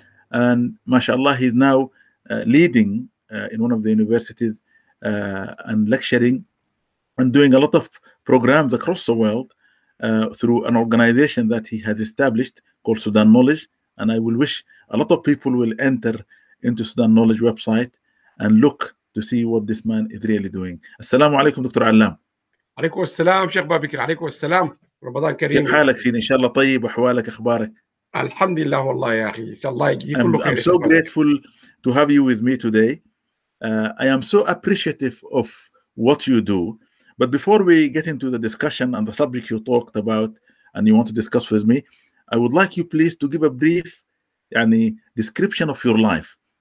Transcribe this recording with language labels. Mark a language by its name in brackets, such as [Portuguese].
[English] And mashallah, he's now leading in one of the universities and lecturing and doing a lot of programs across the world through an organization that he has established called Sudan Knowledge. And I will wish a lot of people will enter into Sudan Knowledge website and look to see what this man is really doing. Assalamu alaikum, Dr. Allam. [Arabic] عليكم السلام شيخ بابكر. عليكم السلام, رمضان كريم. كيف حالك سيدي؟ ان شاء الله طيب, احوالك اخبارك؟ الحمد لله والله يا اخي, ان شاء الله يجزيك كل خير. [English] I'm so grateful to have you with me today. I am so appreciative of what you do. But before we get into the discussion and the subject you talked about and you want to discuss with me, I would like you please to give a brief description of your life.